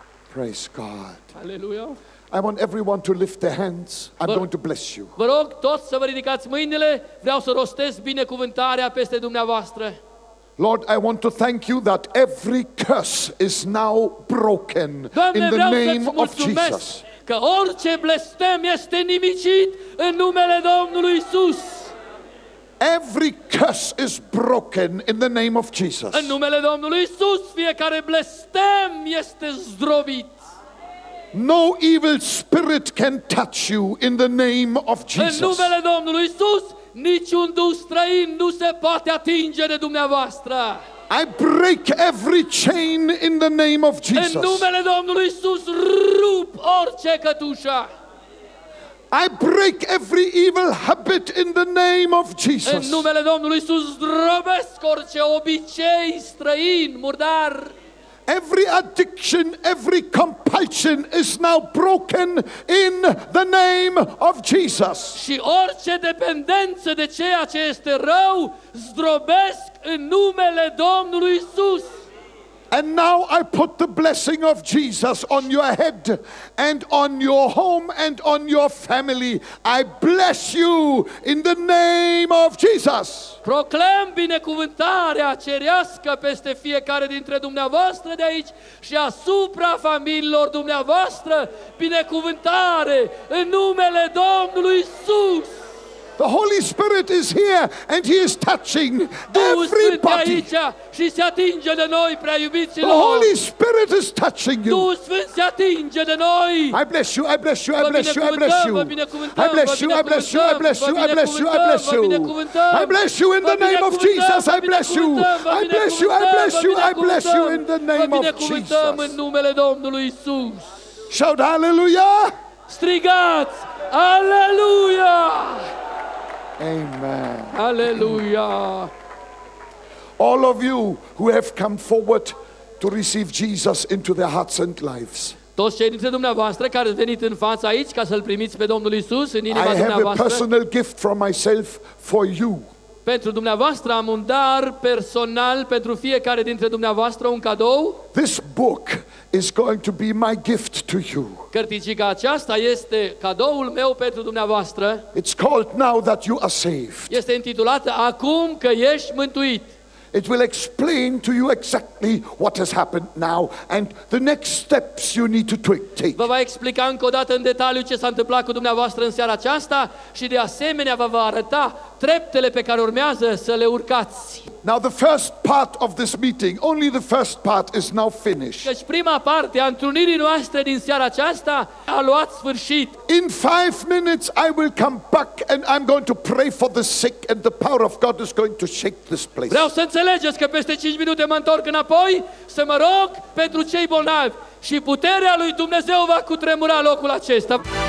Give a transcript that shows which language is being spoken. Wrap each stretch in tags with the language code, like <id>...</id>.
<en>Praise God. Hallelujah. I want everyone to lift their hands. I'm going to bless you.</en> <ro>Vă rog toți să vă ridicați mâinile. Vreau să rostesc binecuvântarea peste dumneavoastră.</ro> <en>Lord, I want to thank you that every curse is now broken.</en> <ro>Doamne,</ro> <en>in the name of Jesus.</en> <ro>Că orice blestem este nimicit în numele Domnului Iisus.</ro> <en>Every curse is broken in the name of Jesus.</en> <ro>În numele Domnului Iisus, fiecare blestem este zdrobit.</ro> <en>No evil spirit can touch you in the name of Jesus.</en> <ro>În numele Domnului Iisus, niciun duh străin nu se poate atinge de dumneavoastră.</ro> <en>I break every chain in the name of Jesus.</en> <ro>În numele Domnului Iisus, rup orice cătușă.</ro> <en>I break every evil habit in the name of Jesus.</en> <ro>În numele Domnului Iisus, zdrobesc orice obicei străin, murdar.</ro> <en>Every addiction, every compulsion is now broken in the name of Jesus.</en> <ro>Și orice dependență de ceea ce este rău, zdrobesc în numele Domnului Iisus.</ro> <en>And now I put the blessing of Jesus on your head and on your home and on your family. I bless you in the name of Jesus.</en> <ro>Proclam binecuvântarea cerească peste fiecare dintre dumneavoastră de aici și asupra familiilor dumneavoastră, binecuvântare în numele Domnului Iisus.</ro> <en>The Holy Spirit is here and he is touching everybody.</en> <ro>Și se atinge de noi, prea iubiților.</ro> <en>The Holy Spirit is touching you.</en> <ro>Duhul Sfânt se atinge de noi.</ro> <en>I bless you, I bless you, I bless you, I bless you. I bless you, I bless you, I bless you, I bless you, I bless you. I bless you in the name of Jesus. I bless you. I bless you, I bless you, I bless you in the name of Jesus.</en> <ro>În numele Domnului Iisus.</ro> <en>Shout hallelujah.</en> <ro>Strigați aleluia.</ro> <en>Amen. Hallelujah. All of you who have come forward to receive Jesus into their hearts and lives.</en> <ro>Toți cei dintre dumneavoastră care ați venit în fața aici ca să-l primiți pe Domnul Iisus în inima dumneavoastră.</ro> <en>I have a personal gift from myself for you.</en> <ro>Pentru dumneavoastră am un dar personal pentru fiecare dintre dumneavoastră, un cadou.</ro> <en>This book is going to be my gift to you.</en> <ro>Cărticica aceasta este cadoul meu pentru dumneavoastră.</ro> <en>It's called Now That You Are Saved.</en> <ro>Este intitulată Acum că ești mântuit.</ro> <en>It will explain to you exactly what has happened now and the next steps you need to take.</en> <ro>Vă va explica încă o dată în detaliu ce s-a întâmplat cu dumneavoastră în seara aceasta și de asemenea vă va arăta treptele pe care urmează să le urcați.</ro> <en>Now the first part of this meeting, only the first part is now finished.</en> <ro>Deci prima parte a întrunirii noastre din seara aceasta a luat sfârșit.</ro> <en>In 5 minutes I will come back and I'm going to pray for the sick and the power of God is going to shake this place.</en> <ro>Vreau să înțelegeți că peste 5 minute mă întorc înapoi să mă rog pentru cei bolnavi și puterea lui Dumnezeu va cutremura locul acesta.</ro>